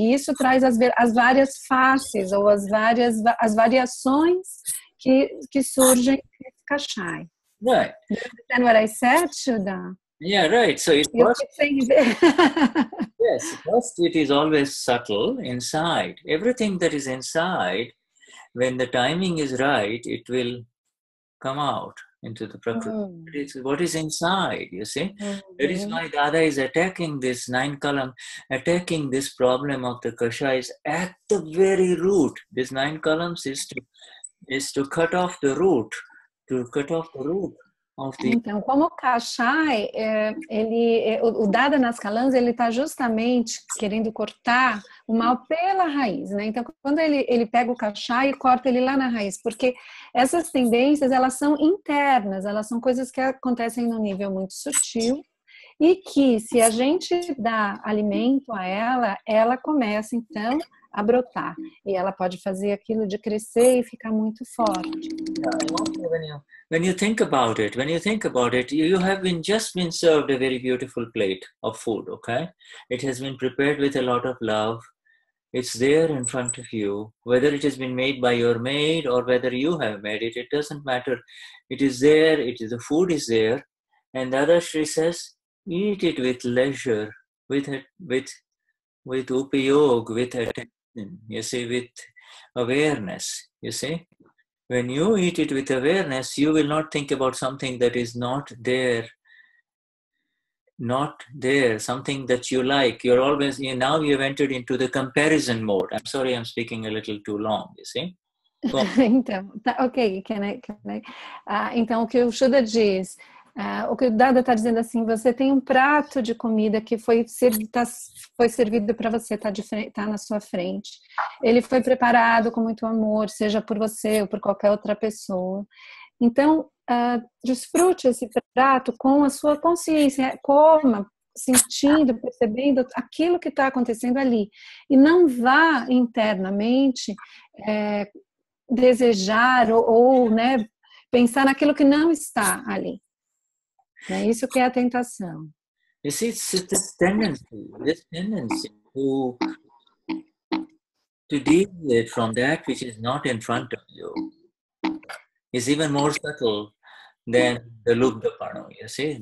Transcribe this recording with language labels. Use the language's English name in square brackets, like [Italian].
[Portuguese] E isso traz as várias faces ou as variações que surgem nesse cachai. [English] Right. You understand what I said, Shuddha? Yeah, right. So it's first it is always subtle inside. Everything that is inside, when the timing is right, it will come out into the prakriti. Mm. It's what is inside, you see? Mm-hmm. That is why Dada is attacking this nine kalam, attacking this problem of the kashais at the very root. This nine kalams is to cut off the root, to cut off the root. [Portuguese] Então, como o kashai, o Dada nas kalams, ele está justamente querendo cortar o mal pela raiz, né? Então, quando ele pega o kashai e corta ele lá na raiz, porque essas tendências, elas são internas, elas são coisas que acontecem num nível muito sutil e que, se a gente dá alimento a ela, ela começa, então, a brotar. E ela pode fazer aquilo de crescer e ficar muito forte. [English] When you think about it, you have just been served a very beautiful plate of food, okay? It has been prepared with a lot of love. It's there in front of you. Whether it has been made by your maid or whether you have made it, it doesn't matter. It is there, the food is there. And Dadashri says, eat it with leisure, with upayog, with attention, you see, with awareness, you see? When you eat it with awareness, you will not think about something that is not there, something that you like. You're always, now you've entered into the comparison mode. I'm sorry, I'm speaking a little too long, you see? [Portuguese] Então, tá, ok, [English] can I? [Portuguese] Então, o que o Shuddha diz, o que o Dada está dizendo assim, você tem um prato de comida que foi servido para você, tá na sua frente. Ele foi preparado com muito amor, seja por você ou por qualquer outra pessoa. Então, desfrute esse prato com a sua consciência, coma, sentindo, percebendo aquilo que está acontecendo ali. E não vá internamente desejar ou né, pensar naquilo que não está ali. É isso que é a tentação. [English] You see, it's this tendency to deal with it from that which is not in front of you is even more subtle than the lubdhapanoo, you see?